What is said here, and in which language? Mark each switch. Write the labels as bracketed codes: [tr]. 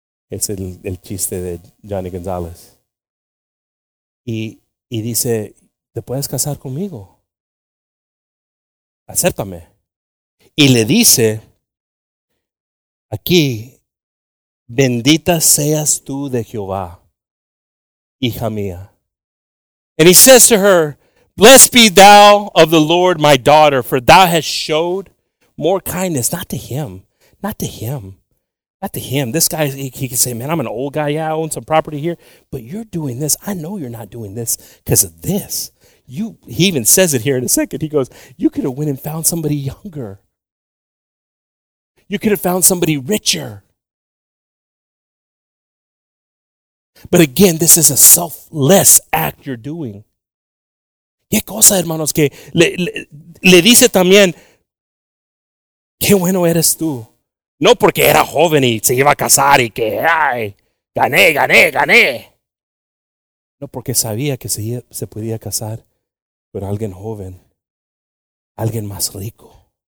[es] Es el chiste de Johnny Gonzalez. Y dice, ¿te puedes casar conmigo? Acéptame. Y le dice, aquí, bendita seas tú de Jehová, hija mía. [en] And he says to her, blessed be thou of the Lord, my daughter, for thou hast showed more kindness. Not to him. This guy, he can say, man, I'm an old guy. Yeah, I own some property here. But you're doing this. I know you're not doing this because of this. He even says it here in a second. He goes, you could have went and found somebody younger. You could have found somebody richer. But again, this is a selfless act you're doing. [es] ¿Qué cosa, hermanos, que le dice también, qué bueno eres tú? No porque era joven y se iba a casar y que, ay, gané. No porque sabía que se podía casar con alguien joven, alguien más rico.